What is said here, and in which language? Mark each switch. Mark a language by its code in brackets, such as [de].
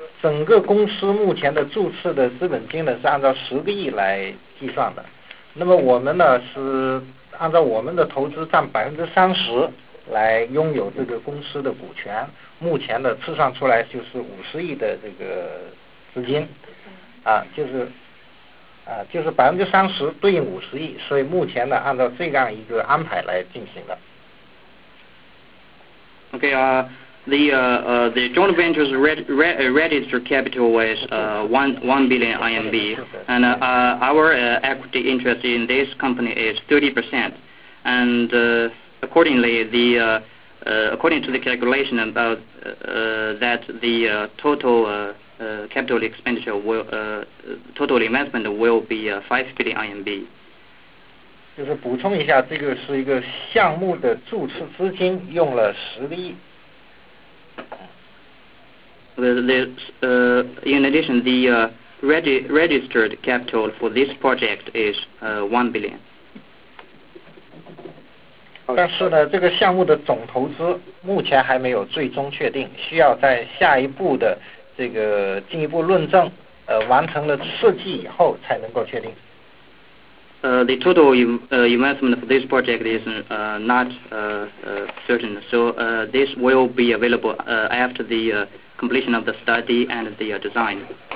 [zh] 整个公司目前的注册的资本金呢是按照10亿来计算的，那么我们呢是按照我们的投资占30%来拥有这个公司的股权，目前的测算出来就是50亿的这个资金，就是30%对应50亿，所以目前呢按照这样一个安排来进行的。 OK 啊。 [en] The joint venture's registered capital was 1 billion RMB, and our equity interest in this company is 30%, and accordingly, the according to the calculation about that the total capital expenditure will total investment will be 5 billion RMB. [zh] 就是补充一下，这个是一个项目的注册资金用了10亿。 [en] In addition, the registered capital for this project is 1 billion. [zh] 但是呢，这个项目的总投资目前还没有最终确定，需要在下一步的这个进一步论证，完成了设计以后才能够确定。 [en] The total investment for this project is not certain. So this will be available after the completion of the study and the design.